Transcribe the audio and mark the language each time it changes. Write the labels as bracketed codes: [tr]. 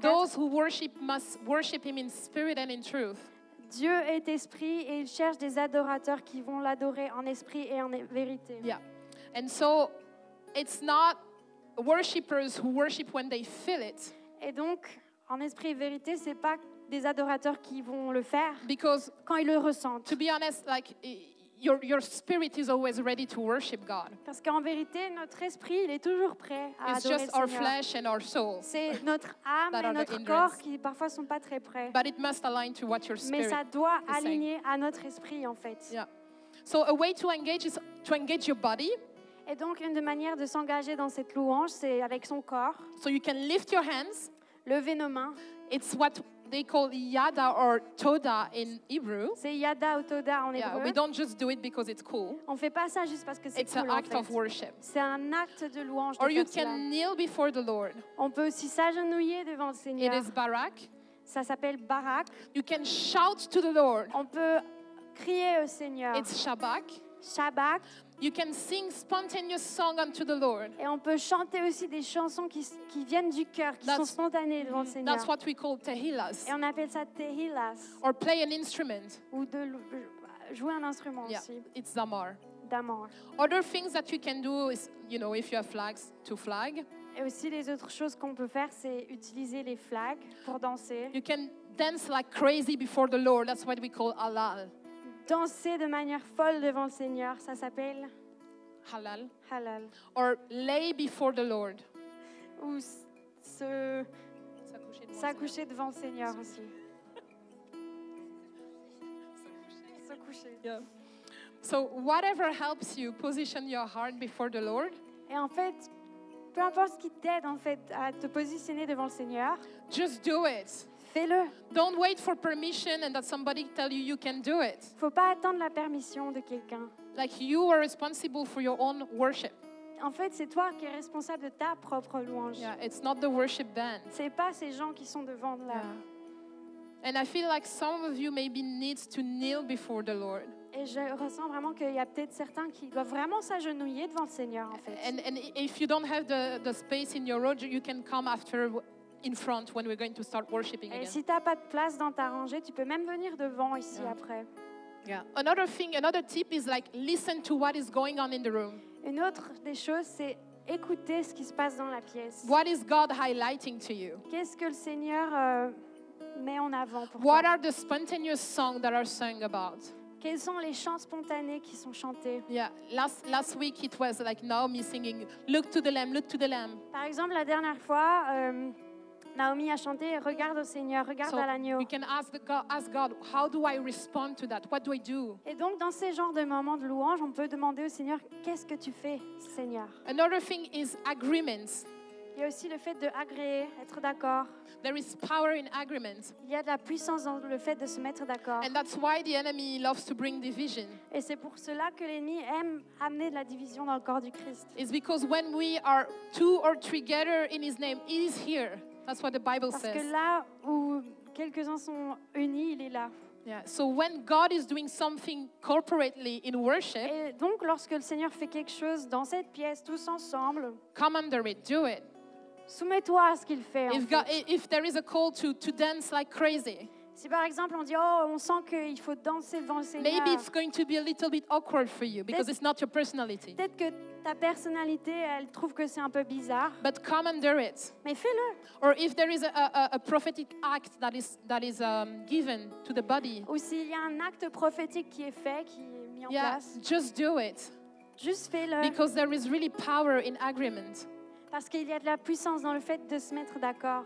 [en] Those who worship must worship him in spirit and in truth. [fr] Dieu est esprit et il cherche des adorateurs qui vont l'adorer en esprit et en vérité. [en] Yeah. And so it's not worshipers who worship when they feel it. [fr] Et donc en esprit et vérité, c'est pas des adorateurs qui vont le faire [en] because, [fr] quand ils le ressentent. [en] To be honest, like your spirit is always ready to worship God. [fr] Parce qu'en vérité, notre esprit, il est toujours prêt à [en] It's [fr] adorer le [en] It's just our flesh and our soul. [fr] C'est notre âme et notre corps qui parfois sont pas très prêts. [en] But it must align to what your spirit [fr] Mais ça doit aligner à notre esprit en fait. [en] Yeah. So a way to engage is to engage your body. [fr] Et donc une des manières de s'engager dans cette louange, c'est avec son corps. [en] So you can lift your hands. [fr] Lever nos mains. [en] It's what they call yada or toda in Hebrew. [fr] C'est yada ou toda en hébreu. [en] Yeah, we don't just do it because it's cool. [fr] On fait pas ça juste parce que c'est [en] it's cool. It's an act [fr] en fait. [en] Of worship. [fr] C'est un acte de louange. [en] Or [fr] de [en] you can kneel before the Lord. [fr] On peut aussi s'agenouiller devant le Seigneur. [en] It is barak. [fr] Ça s'appelle barak. [en] You can shout to the Lord. [fr] On peut crier au Seigneur. [en] It's shabak. [he] Shabak. [en] You can sing spontaneous song unto the Lord. [fr] Et on peut chanter aussi des chansons qui viennent du cœur, qui sont spontanées devant le Seigneur. [en] That's what we call tehillas. [fr] Et on appelle ça tehillas. [en] Or play an instrument. [fr] Ou de jouer un instrument aussi. [en] It's zamar. [he] Damar. [en] Other things that you can do is, you know, if you have flags, to flag. [fr] Et aussi les autres choses qu'on peut faire, c'est utiliser les flags pour danser. [en] You can dance like crazy before the Lord. That's what we call halal. [fr] Danser de manière folle devant le Seigneur, ça s'appelle [he] halal. Halal. [en] Or lay before the Lord. [fr] Ou s'accoucher devant le Seigneur aussi. [en] Yeah. So whatever helps you position your heart before the Lord. [fr] Et en fait, peu importe ce qui t'aide en fait à te positionner devant le Seigneur. [en] Just do it. [fr] Fais-le. [en] Don't wait for permission and that somebody tell you you can do it. [fr] Faut pas attendre la permission de quelqu'un. [en] Like you are responsible for your own worship. [fr] En fait, c'est toi qui es responsable de ta propre louange. [en] Yeah, it's not the worship band. [fr] C'est pas ces gens qui sont devant là. [en] Yeah. And I feel like some of you maybe need to kneel before the Lord. [fr] Et je ressens vraiment qu'il y a peut-être certains qui doivent vraiment s'agenouiller devant le Seigneur, en fait. [en] And if you don't have the space in your road, you can come after in front when we're going to start worshiping again. [fr] Et si tu n'as pas de place dans ta rangée, tu peux même venir devant ici après. [en] Yeah. Another thing, another tip is like listen to what is going on in the room. [fr] Une autre des choses, c'est écouter ce qui se passe dans la pièce. [en] What is God highlighting to you? [fr] Qu'est-ce que le Seigneur met en avant pour [en] What are the spontaneous songs that are sung about? [fr] Quels sont les chants spontanés qui sont chantés? [en] Yeah, last week it was like Naomi singing, look to the Lamb, look to the Lamb. [fr] Par exemple, la dernière fois, Naomi a chanté, regarde au Seigneur, regarde [en] so [fr] à l'agneau. [en] You can ask God, how do I respond to that? What do I do? [fr] Et donc, dans ces genres de moments de louange, on peut demander au Seigneur, qu'est-ce que tu fais, Seigneur? [en] Another thing is agreements. [fr] Il y a aussi le fait de agréer, être d'accord. [en] There is power in agreement. [fr] Il y a de la puissance dans le fait de se mettre d'accord. [en] And that's why the enemy loves to bring division. [fr] Et c'est pour cela que l'ennemi aime amener de la division dans le corps du Christ. [en] It's because when we are two or three gather in His name, He is here. That's what the Bible [fr] Parce [en] says. [fr] Parce que là où quelques-uns sont unis, il est là. [en] Yeah. So when God is doing something corporately in worship, [fr] et donc lorsque le Seigneur fait quelque chose dans cette pièce tous ensemble, [en] come under it, do it. [fr] Soumets-toi à ce qu'il fait. [en] If, God, if there is a call to dance like crazy. [fr] Si par exemple on dit oh on sent qu'il faut danser devant le Seigneur. [en] Maybe it's going to be a little bit awkward for you because it's not your personality. [fr] Peut-être que ta personnalité elle trouve que c'est un peu bizarre. [en] But come under it. [fr] Mais fais-le. [en] Or if there is a prophetic act that is given to the body. [fr] Ou s'il y a un acte prophétique qui est fait qui est mis en place. [en] Just do it. [fr] Juste fais-le. [en] Because there is really power in agreement. [fr] Parce qu'il y a de la puissance dans le fait de se mettre d'accord.